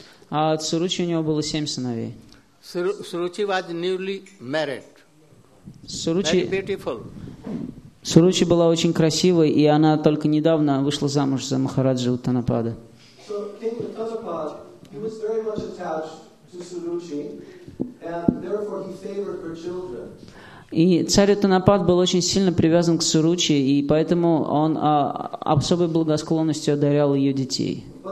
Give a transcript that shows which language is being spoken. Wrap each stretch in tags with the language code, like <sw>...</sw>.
<ru>А от Суручи у него было семь сыновей.</ru> <en>Суручи was newly married. Суручи, very beautiful.</en> <ru>Суручи была очень красивой, и она только недавно вышла замуж за Махараджи Уттанапады.</ru> <en>So King Uttanapad, he was very much attached to Suruchi, and therefore he favored her children.</en> <ru>И царь Уттанапад был очень сильно привязан к Суручи, и поэтому он особой благосклонностью одарял ее детей.</ru>